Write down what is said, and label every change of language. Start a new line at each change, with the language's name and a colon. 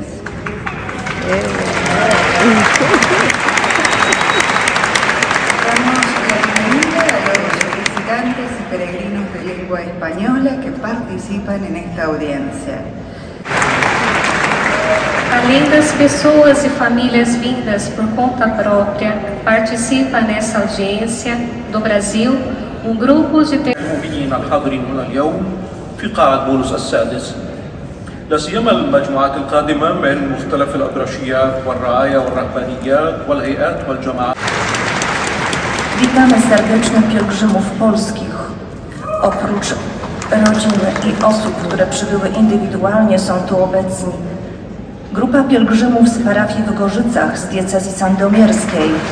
Spanish: Estamos reunidos a los visitantes y peregrinos de lengua española que participan en esta audiencia.
Portuguese: Além das pessoas e famílias vindas por conta própria, participa nessa audiência do Brasil um grupo de
Arabic: الحاضرين هنا اليوم في قاعة بولس السادس لا سيما المجموعات القادمة من مختلف الأبرشيات والرعايا والرهبانيات والهيئات والجماعات.
Polish: Witamy serdecznie pielgrzymów polskich. Oprócz rodzin i osób, które przybyły indywidualnie, są tu obecni. Grupa pielgrzymów z parafii w Gorzycach z diecezji sandomierskiej.